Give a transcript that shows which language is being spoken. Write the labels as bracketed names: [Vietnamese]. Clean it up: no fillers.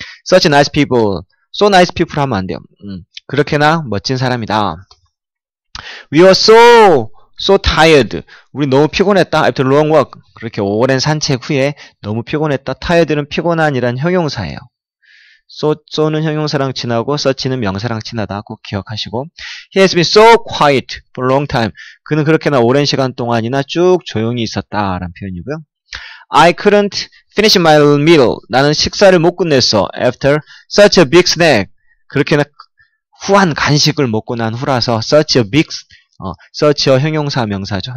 [English] such nice people, so nice people [Korean] 하면 안 돼요. 그렇게나 멋진 사람이다. [English] We were so tired. [Korean] 우리 너무 피곤했다. [English] After long walk. [Korean] 그렇게 오랜 산책 후에 너무 피곤했다. tired는 피곤한이란 형용사예요. so는 형용사랑 친하고 such는 명사랑 친하다. 꼭 기억하시고. [English] He has been so quiet for a long time. [Korean] 그는 그렇게나 오랜 시간 동안이나 쭉 조용히 있었다라는 표현이고요. [English] I couldn't finish my meal. [Korean] 나는 식사를 못 끝냈어. [English] After such a big snack. [Korean] 그렇게나 후한 간식을 먹고 난 후라서 [English] such a big [Korean] 서치어 형용사 명사죠.